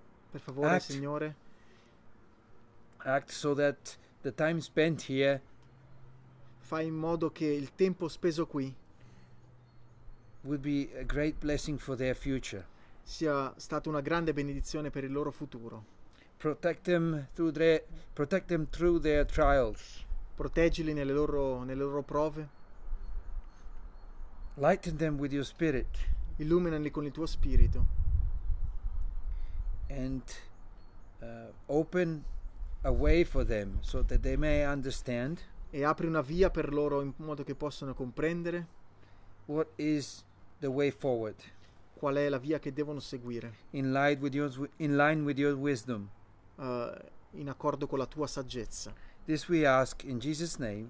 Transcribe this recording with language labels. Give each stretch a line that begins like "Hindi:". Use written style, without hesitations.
Italian: per favore, Signore,
English: act so that the time spent here,
Italian: fai in modo che il tempo speso qui
English: would be a great blessing for their future.
Italian: Sia stata una grande benedizione per il loro futuro.
English: Protect them through their trials.
Italian: Proteggili nelle loro prove.
English: Lighten them with your spirit.
Italian: Illuminali con il tuo spirito.
English: And open a way for them so that they may understand.
Italian: E apri una via per loro in modo che possano comprendere.
English: What is the way forward?
Italian: Qual è la via che devono seguire?
English: In line with your wisdom.
Italian: In accordo con la tua saggezza.
English: This we ask in Jesus' name.